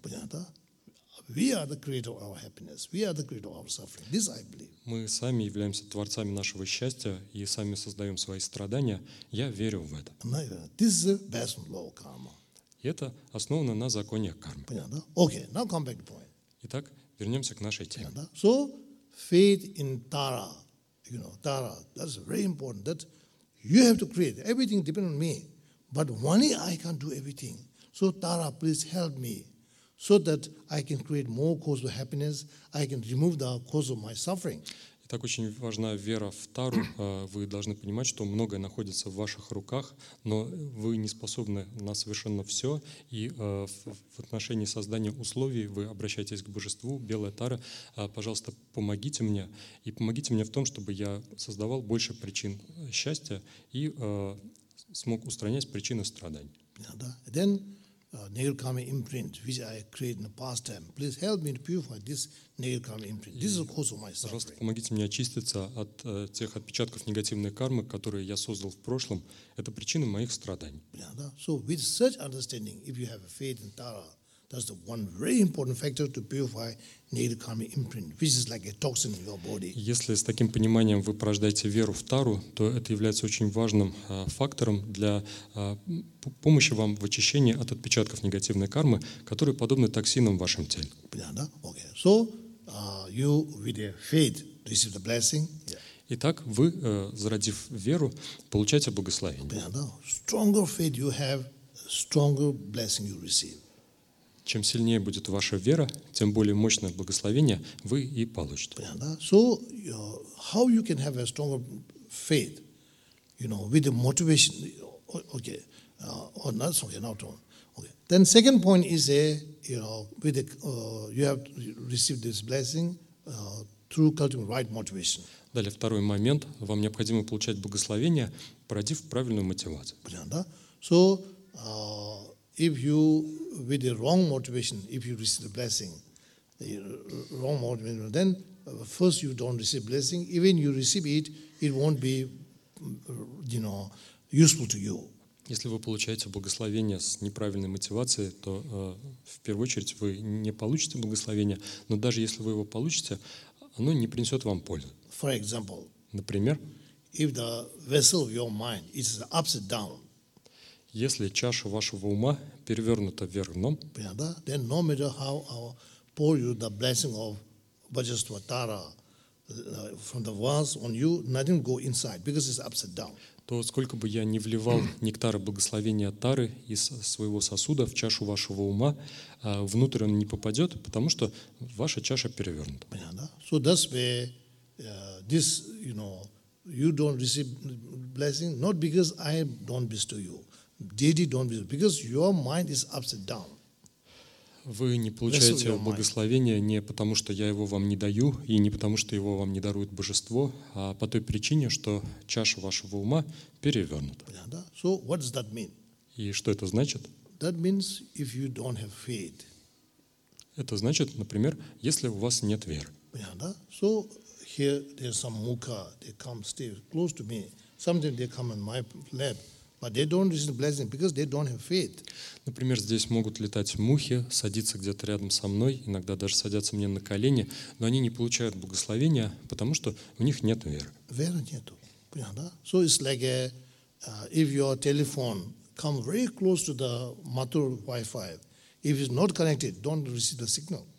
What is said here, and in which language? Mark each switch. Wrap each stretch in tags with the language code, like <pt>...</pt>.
<ru>Понятно?</ru> <en>We are the creator of our happiness. We are the creator of our suffering. This I believe.</en> <ru>Мы сами являемся творцами нашего счастья и сами создаем свои страдания. Я верю в это.</ru> <en>This is the best law of karma.</en> <ru>И это основано на законе кармы. Понятно?</ru> <en>Okay, now come back to point.</en> <ru>Итак. Вернемся к нашей теме.</ru> <en>Yeah, so faith in Tara, you know, Tara, that's very important. That you have to create. Everything depends on me, but only I can do everything. So Tara, please help me, so that I can create more cause of happiness. I can remove the cause of my suffering.</en> <ru>Итак, очень важна вера в Тару. Вы должны понимать, что многое находится в ваших руках, но вы не способны на совершенно все. И в отношении создания условий вы обращаетесь к божеству, белая Тара. Пожалуйста, помогите мне. И помогите мне в том, чтобы я создавал больше причин счастья и смог устранять причины страданий.</ru> <en>Then Negakarma imprint, which I created in the past time. Please help me to purify this Negakarma imprint. This is the cause of my suffering.</en> <ru>Пожалуйста, помогите мне очиститься от тех отпечатков негативной кармы, которые я создал в прошлом. Это причина моих страданий. Yeah, да?</ru> <en>So with such understanding, if you have a faith in Tara, that's the one very important factor to purify Negakarma imprint, which is like a toxin in your body.</en> <ru>Если с таким пониманием вы порождаете веру в Тару, то это является очень важным фактором для помощи вам в очищении от отпечатков негативной кармы, которые подобны токсинам в вашем теле. Понятно, да?</ru> <en>Okay. So you with your faith receive the blessing. Yeah.</en> <ru>Итак, вы, зародив веру, получаете благословение. Понятно, да?</ru> <en>Stronger faith you have, stronger blessing you receive.</en> <ru>Чем сильнее будет ваша вера, тем более мощное благословение вы и получите. Понятно, да?</ru> <en>So, how you can have a stronger faith, you know, with the motivation, okay, or not, okay, not wrong. Okay. Then second point is, you know, with the, you have received this blessing through cultivating right motivation.</en> <ru>Далее второй момент. Вам необходимо получать благословение, породив правильную мотивацию. Понятно, да?</ru> <en>So, if you with the wrong motivation, if you receive the blessing, the wrong motivation, then first you don't receive blessing. Even you receive it, it won't be, you know, useful to you.</en> <ru>Если вы получаете благословение с неправильной мотивацией, то в первую очередь вы не получите благословение. Но даже если вы его получите, оно не принесет вам пользы.</ru> <en>For example,</en> <ru>например,</ru> <en>if the vessel of your mind is upside down.</en> <ru>Если чаша вашего ума перевернута вверх дном,</ru> <en>then no matter how I pour you the blessing of Vajrasattara from the vase on you, nothing will go inside because it's upside down.</en> <ru>То сколько бы я ни вливал нектара благословения Тары из своего сосуда в чашу вашего ума, внутрь он не попадет, потому что ваша чаша перевернута. Понятно?</ru> <en>So that's where this, you know, you don't receive blessing not because I don't bestow you. Deity don't be, because your mind is upside down.</en> <ru>Вы не получаете благословение не потому, что я его вам не даю, и не потому, что его вам не дарует божество, а по той причине, что чаша вашего ума перевернута. Понятно?</ru> <en>So what does that mean?</en> <ru>И что это значит?</ru> <en>That means if you don't have faith.</en> <ru>Это значит, например, если у вас нет веры. Понятно?</ru> <en>So here there's some mukha, they come stay close to me. Sometimes they come in my lab. But they don't receive the blessing because they don't have faith.</en> <ru>Например, здесь могут летать мухи, садиться где-то рядом со мной, иногда даже садятся мне на колени, но они не получают благословения, потому что у них нет веры. Веры нету, понятно? Да?</ru> <en>So it's like if your telephone come very close to the motor Wi-Fi, if it's not connected, don't receive the signal.</en>